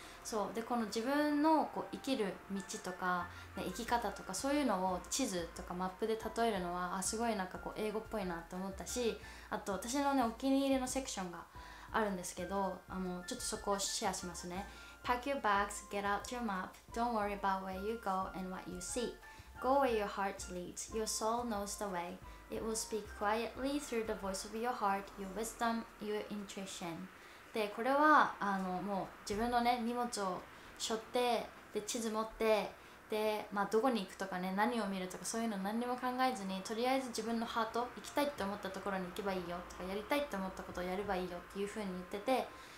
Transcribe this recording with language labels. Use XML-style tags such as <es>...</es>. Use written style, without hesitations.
<ja>そうで、この自分のこう生きる道とか、ね、生き方とか、そういうのを地図とかマップで例えるのは、あ、すごいなんかこう英語っぽいなと思ったし、あと私のねお気に入りのセクションがあるんですけど、ちょっとそこをシェアしますね。</ja> <en>Pack your bags, get out your map. Don't worry about where you go and what you see. Go where your heart leads. Your soul knows the way. It will speak quietly through the voice of your heart, your wisdom, your intuition.</en> <ja>で、これはもう自分のね荷物を背負って、で、地図持って、で、まあ、どこに行くとかね、何を見るとか、そういうの何にも考えずに、とりあえず自分のハート、行きたいって思ったところに行けばいいよとか、やりたいって思ったことをやればいいよっていう風に言って</ja>